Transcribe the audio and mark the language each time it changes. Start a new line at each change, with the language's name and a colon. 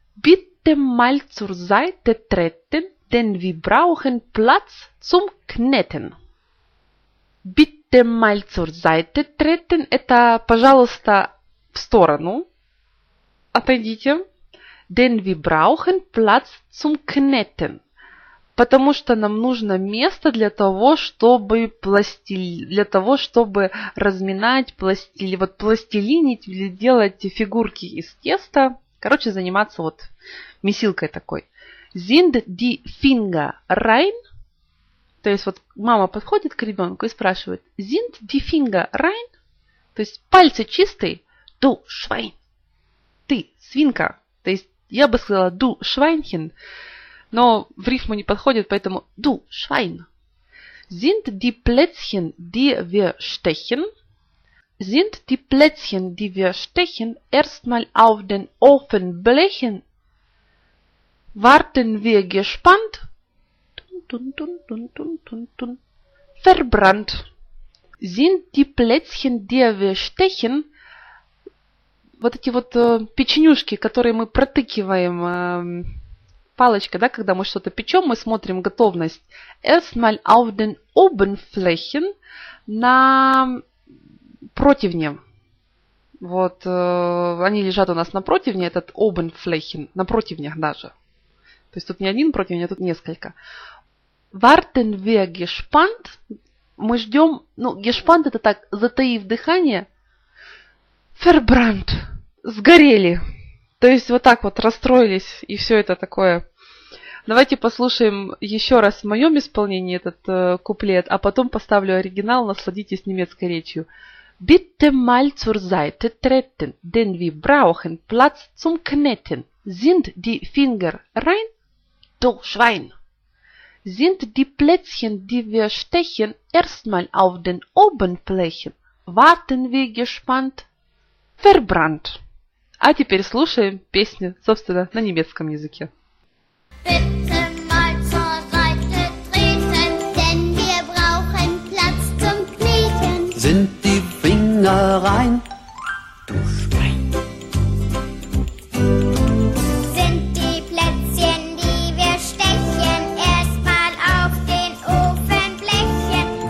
German: Bitte mal zur Seite treten, denn wir brauchen Platz zum Kneten. Bitte mal zur Seite treten.
Russian: Это, пожалуйста, в сторону. Отойдите.
German: Denn wir brauchen Platz zum Kneten.
Russian: Потому что нам нужно место для того, чтобы для того, чтобы разминать, пластилинить или делать фигурки из теста. Короче, заниматься вот месилкой такой.
German: Sind die Finger rein?
Russian: То есть вот мама подходит к ребенку и спрашивает:
German: Sind die Finger rein?
Russian: То есть пальцы чистые?
German: Du Schwein.
Russian: Ты свинка. То есть я бы сказала
German: Du Schweinchen.
Russian: Но в рифму не подходит, поэтому
German: du Schwein. Sind die Plätzchen, die wir stechen? Sind die Plätzchen, die wir stechen, erstmal auf den Ofen blechen? Warten wir gespannt? Dun, dun, dun, dun, dun, dun, dun. Verbrannt. Sind die Plätzchen, die wir stechen?
Russian: Вот эти вот печенюшки, которые мы протыкиваем. Палочка, да, когда мы что-то печем, мы смотрим готовность.
German: Erstmal auf den Ofenflächen,
Russian: на противне. Вот, они лежат у нас на противне, этот Ofenflächen, на противнях даже. То есть тут не один противень, а тут несколько.
German: Warten wir gespannt.
Russian: Мы ждем, ну, gespannt это так, затаив дыхание.
German: Verbrannt.
Russian: Сгорели. То есть вот так вот расстроились, и все это такое. Давайте послушаем еще раз в моем исполнении этот куплет, а потом поставлю оригинал, насладитесь немецкой речью.
German: Bitte mal zur Seite treten, denn wir brauchen Platz zum Kneten. Sind die Finger rein? Du Schwein! Sind die Plätzchen, die wir stechen, erstmal auf den Ofenflächen? Warten wir gespannt? Verbrannt!
Russian: А теперь слушаем песню, собственно, на немецком языке.
German: Bitte mal zur Seite treten, denn wir brauchen Platz zum Kneten. Sind die Finger rein? Du Schwein. Sind die Plätzchen, die wir stechen, erstmal auf den Ofenblechen?